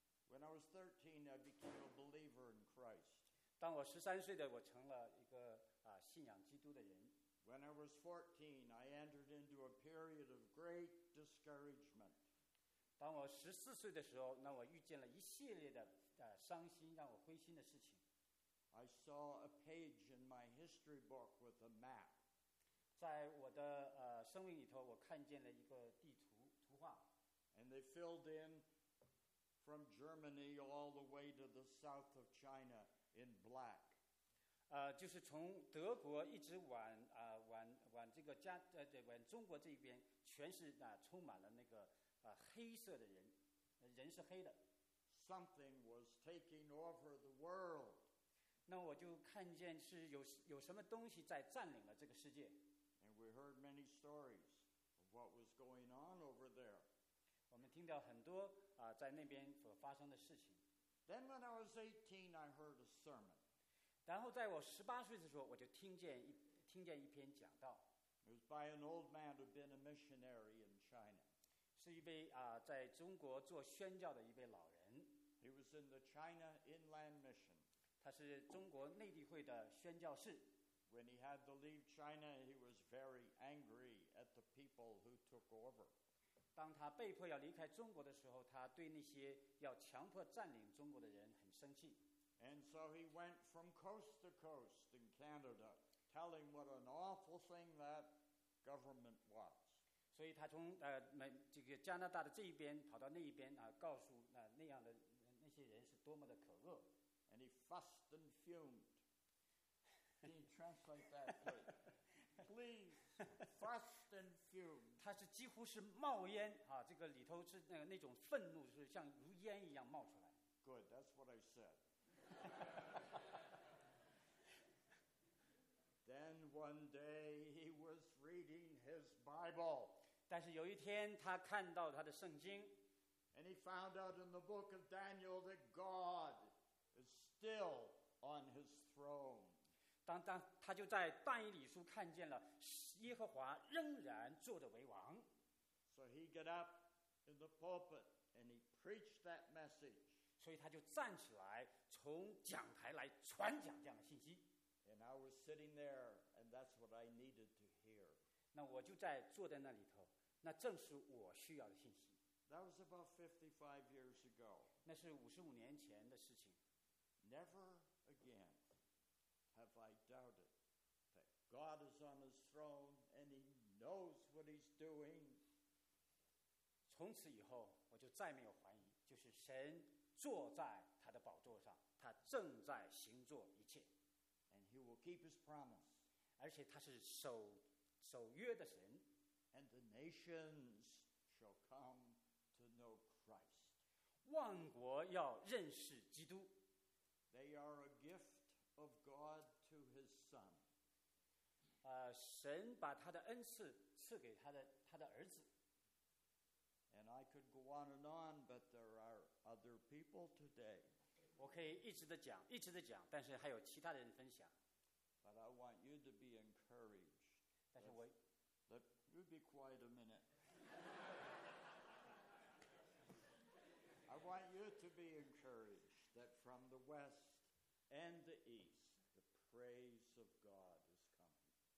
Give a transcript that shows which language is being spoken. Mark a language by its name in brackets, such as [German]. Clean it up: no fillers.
[English] When I was 13, I became a believer in Christ. [Chinese] 当我十三岁的，我成了一个啊信仰基督的人。 [English] When I was 14, I entered into a period of great discouragement. [Chinese] 当我十四岁的时候，那我遇见了一系列的伤心，让我灰心的事情。 [English] I saw a page in my history book with a map. [Chinese] 在我的生命里头，我看见了一个地图图画。 [English] And they filled in. From Germany all the way to the south of China in black. [Chinese] 就是从德国一直往往这个加往中国这边，全是充满了那个黑色的人，人是黑的。 [English] Something was taking over the world. [Chinese] 那我就看见是有什么东西在占领了这个世界。 [English] And we heard many stories of what was going on over there. [Chinese] 我们听到很多在那边所发生的事情。 [English] Then when I was 18, I heard a sermon. [Chinese] 然后在我十八岁的时候，我就听见一篇讲道。 [English] It was by an old man who'd been a missionary in China. [Chinese] 是一位在中国做宣教的一位老人。 [English] He was in the China Inland Mission. [Chinese] 他是中国内地会的宣教士。 [English] When he had to leave China, he was very angry at the people who took over. [Chinese] 当他被迫要离开中国的时候，他对那些要强迫占领中国的人很生气。 [English] And so he went from coast to coast in Canada, telling what an awful thing that government was. [Chinese] 所以他从这个加拿大的这一边跑到那一边告诉那样的那些人是多么的可恶。 [English] And he fussed and fumed. Can you translate that, please? Please, fussed and fumed. [Chinese] 他是几乎是冒烟啊，这个里头是那种愤怒，是像如烟一样冒出来。 [English] Good, that's what I said. Then one day he was reading his Bible. [Chinese] 但是有一天他看到他的圣经。 [English] And he found out in the book of Daniel that God is still on his throne. [Chinese] 当他就在但以理书看见了耶和华仍然坐着为王。 [English] So he got up in the pulpit and he preached that message. [Chinese] 所以他就站起来从讲台来传讲这样的信息。 [English] And I was sitting there and that's what I needed to hear. [Chinese] 那我就在坐在那里头，那正是我需要的信息。 [English] That was about 55 years ago. [Chinese] 那是55年前的事情。 [English] Never again. Have I doubted that God is on His throne and He knows what He's doing? [Chinese] 从此以后，我就再没有怀疑，就是神坐在他的宝座上，他正在行做一切。 [English] And He will keep His promise. [Chinese] 而且他是守约的神。 [English] And the nations shall come to know Christ. [Chinese] 万国要认识基督。 [English] They are a gift. Of God to His Son. [Chinese] 神把他的恩赐赐给他的儿子。 [English] And I could go on and on, but there are other people today. [Chinese] 我可以一直的讲，但是还有其他的人分享。 [English] But I want you to be encouraged. [Chinese] 但是我 [English] let you be quiet a minute. I want you to be encouraged that from the West. And the east, the praise of God is coming.